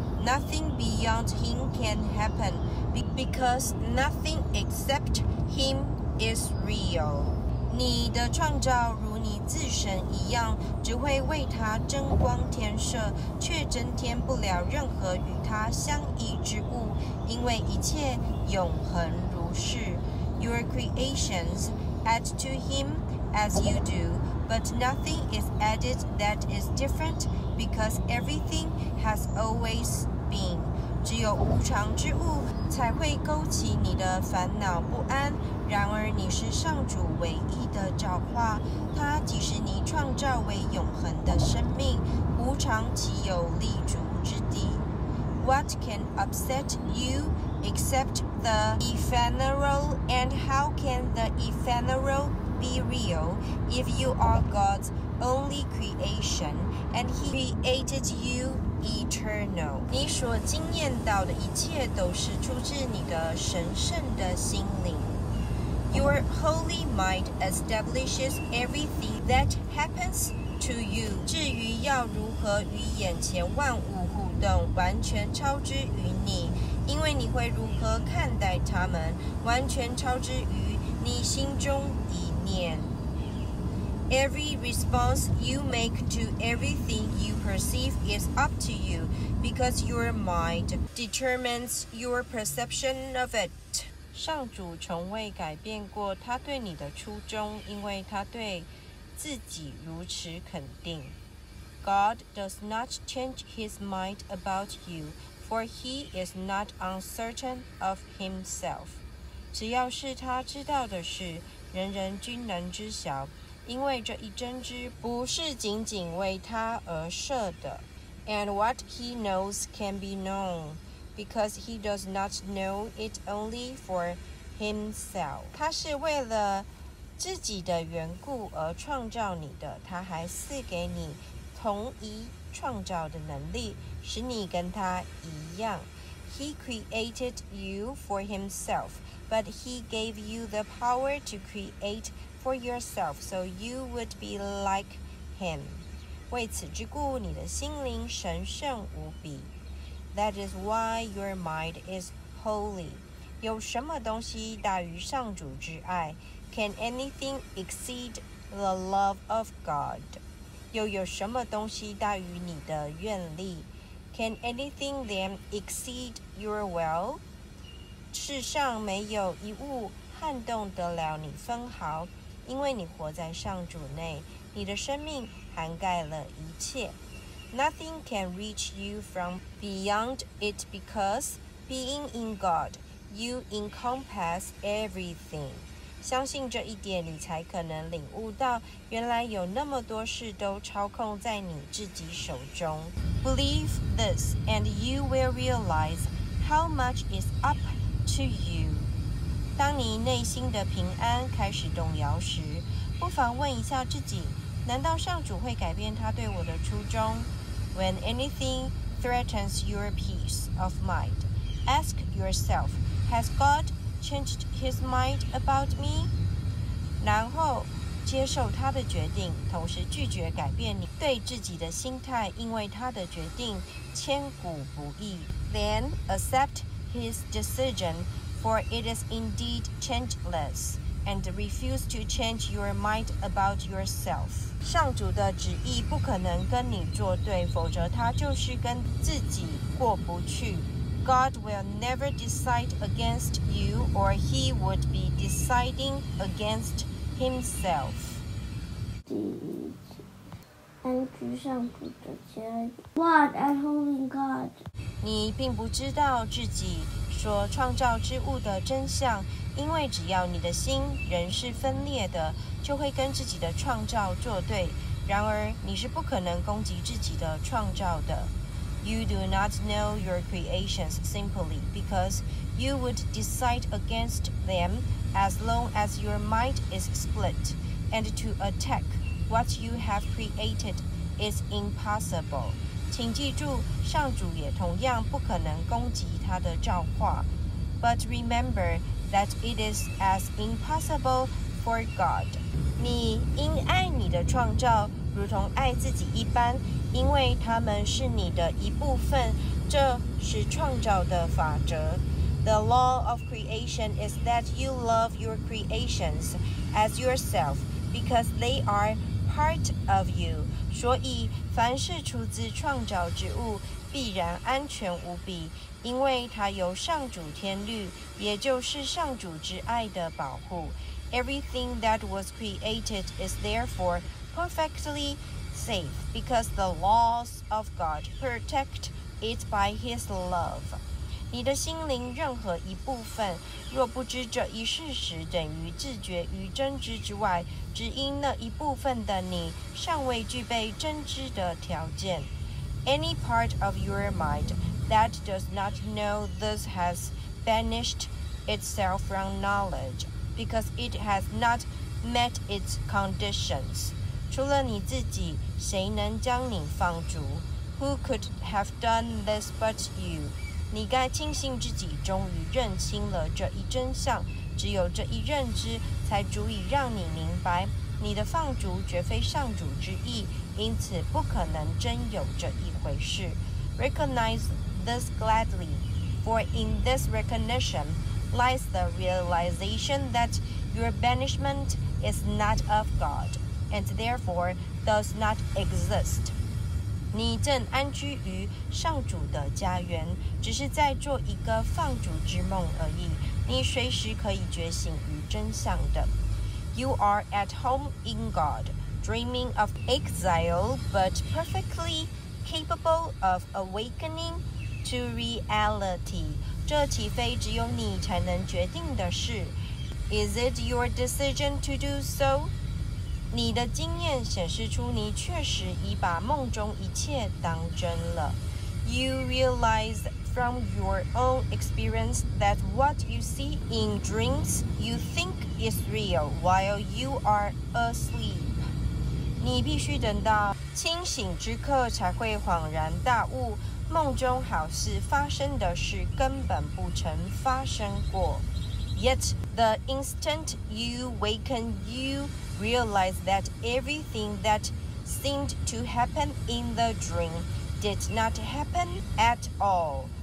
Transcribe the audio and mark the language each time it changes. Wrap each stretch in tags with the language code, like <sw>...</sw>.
<en>Nothing beyond him can happen because nothing except him is real.</en> <zh>你的创造如你自身一样，只会为他增光添色，却增添不了任何与他相异之物，因为一切永恒如是。</zh> <en>Your creationsAdd to him as you do, but nothing is added that is different because everything has always been.</en> <zh>只有无常之物才会勾起你的烦恼不安。然而你是上主唯一的造化，它即使你创造为永恒的生命，无常岂有立足之地。</zh> <en>What can upset you except the ephemeral, and how can the ephemeral be real if you are God's only creation and He created you eternal?</en> <zh>你所经验到的一切都是出自你的神圣的心灵。</zh> <en>Your holy mind establishes everything that happens to you.</en> <zh>至于要如何与眼前万物互动，完全超之于你，因为你会如何看待他们，完全超之于你心中一念。</zh> <en>Every response you make to everything you perceive is up to you because your mind determines your perception of it.</en> <zh>上主从未改变过他对你的初衷，因为他对自己如此肯定。</zh> <en>God does not change his mind about you, for he is not uncertain of himself.</en> <zh>只要是他知道的事，人人均能知晓，因为这一真知不是仅仅为他而设的。</zh> <en>And what he knows can be known. Because he does not know it only for himself.</en> <zh>他是为了自己的缘故而创造你的，他还赐给你同一创造的能力，使你跟他一样。</zh> <en>He created you for himself, but he gave you the power to create for yourself so you would be like him.</en> <zh>为此之故，你的心灵神圣无比。</zh> <en>That is why your mind is holy.</en> <zh>有什么东西大于上主之爱？</zh> <en>Can anything exceed the love of God?</en> <zh>又有什么东西大于你的愿力？</zh> <en>Can anything then exceed your will?</en> <zh>世上没有一物撼动得了你分毫，因为你活在上主内，你的生命涵盖了一切。</zh> <en>Nothing can reach you from beyond it because, being in God, you encompass everything.</en> <zh>相信这一点，你才可能领悟到，原来有那么多事都操控在你自己手中。</zh> <en>Believe this, and you will realize how much is up to you.</en> <zh>当你内心的平安开始动摇时，不妨问一下自己，难道上主会改变他对我的初衷？</zh> <en>When anything threatens your peace of mind, ask yourself, has God changed his mind about me?</en> <zh>然后接受他的决定，同时拒绝改变你对自己的心态，因为他的决定千古不易。</zh> <en>Then accept his decision, for it is indeed changeless, and refuse to change your mind about yourself.</en> <zh>上主的旨意不可能跟你作对，否则他就是跟自己过不去。</zh> <en>God will never decide against you, or he would be deciding against himself.</en> <zh>第一句，安居上主的旨意。</zh> <en>What at home in God?</en> <zh>你并不知道自己所创造之物的真相，因为只要你的心仍是分裂的，就会跟自己的创造作对。然而，你是不可能攻击自己的创造的。</zh> <en>You do not know your creations simply because you would decide against them as long as your mind is split, and to attack what you have created is impossible.</en> <zh>请记住，上主也同样不可能攻击他的造化。</zh> <en>But remember that it is as impossible for God.</en> <zh>你应爱你的创造如同爱自己一般，因为他们是你的一部分，这是创造的法则。</zh> <en>The law of creation is that you love your creations as yourself because they are part of you.</en> <zh>所以凡是出自创造之物必然安全无比，因为它由上主天律，也就是上主之爱的保护。</zh> <en>Everything that was created is therefore perfectly safe because the laws of God protect it by his love.</en> <zh>你的心灵任何一部分若不知这一事实，等于自觉于真知之外，只因那一部分的你尚未具备真知的条件。</zh> <en>Any part of your mind that does not know this has banished itself from knowledge because it has not met its conditions.</en> <zh>除了你自己，谁能将你放逐？</zh> <en>Who could have done this but you?</en> <zh>你该庆幸自己终于认清了这一真相，只有这一认知才足以让你明白，你的放逐绝非上主之意，因此不可能真有这一回事。</zh> <en>Recognize this gladly, for in this recognition lies the realization that your banishment is not of God, and therefore does not exist.</en> <zh>你正安居于上主的家园，只是在做一个放逐之梦而已。你随时可以觉醒于真相的。</zh> <en>You are at home in God, dreaming of exile, but perfectly capable of awakening to reality.</en> <zh>这岂非只有你才能决定的事？</zh> <en>Is it your decision to do so?</en> <zh>你的经验显示出你确实已把梦中一切当真了。</zh> <en>You realize from your own experience that what you see in dreams you think is real while you are asleep.</en> <zh>你必须等到清醒之刻才会恍然大悟，梦中好似发生的事根本不曾发生过。</zh> <en>Yet the instant you waken, you realize that everything that seemed to happen in the dream did not happen at all.</en>